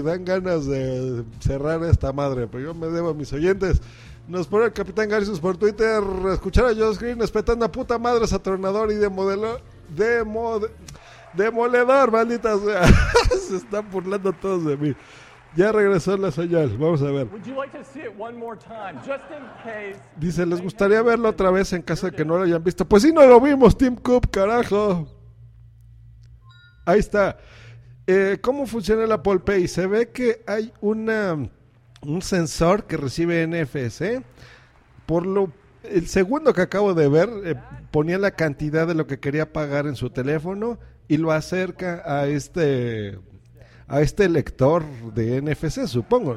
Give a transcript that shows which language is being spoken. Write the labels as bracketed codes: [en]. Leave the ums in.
[es] Dan ganas de cerrar esta madre. Pero yo me debo a mis oyentes. Nos pone el Capitán Garcius por Twitter. Escuchar a Josh Green espetando a puta madre es atronador y demodelo, demode- demoledor. Maldita sea. se están burlando todos de mí. Ya regresó la señal. Vamos a ver. [en] Would you like to see it one more time, just in case? [es] Dice, ¿les gustaría verlo otra vez en caso de que no lo hayan visto? Pues sí, no lo vimos, Tim Cook, carajo. Ahí está. Eh, ¿Cómo funciona la Apple Pay? Se ve que hay una, un sensor que recibe NFC. Por lo, el segundo que acabo de ver eh, ponía la cantidad de lo que quería pagar en su teléfono y lo acerca a este a este lector de NFC, supongo.